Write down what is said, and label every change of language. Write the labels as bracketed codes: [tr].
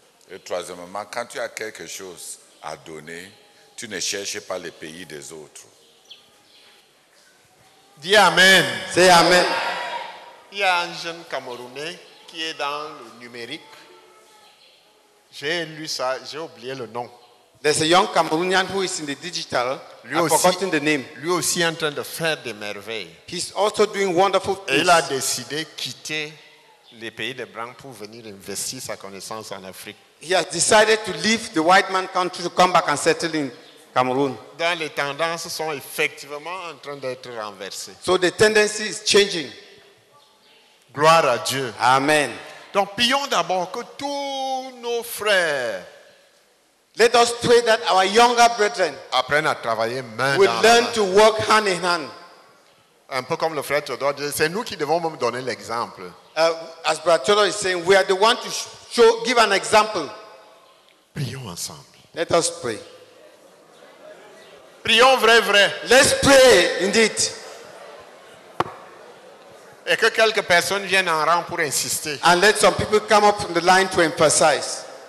[fr] Et troisièmement, quand tu as quelque chose à donner, tu ne cherches pas les pays des autres. Dis amen. C'est amen. Il y a un jeune Camerounais qui est dans le numérique. J'ai lu ça, j'ai oublié le nom. [en] There's a young Cameroonian who is in the digital. [fr] Lui [en] aussi, forgotten the name. [fr] Lui aussi en train de faire des merveilles. [en] He's also doing wonderful things. [fr] Et il a décidé quitter les pays des blancs pour venir investir sa connaissance en Afrique. [en] He has decided to leave the white man country to come back and settle in Cameroon. [fr] Donc les tendances sont effectivement en train d'être renversées. [en] So the tendency is changing. [fr] Gloire à Dieu. Amen. Donc prions d'abord que tous nos frères. [en] Let us pray that our younger brethren [fr] apprennent à travailler main dans la main. [en] To work hand in hand. [fr] Un peu comme le frère Théodore dit, c'est nous qui devons même donner l'exemple. [en] As Brother Théodore is saying, we are the one to show, give an example. [fr] Prions ensemble. [en] Let us pray. [fr] Prions vrai. [en] Let's pray indeed. [fr] Et que quelques personnes viennent en rang pour insister. [en] And let some people come up from the line to emphasize.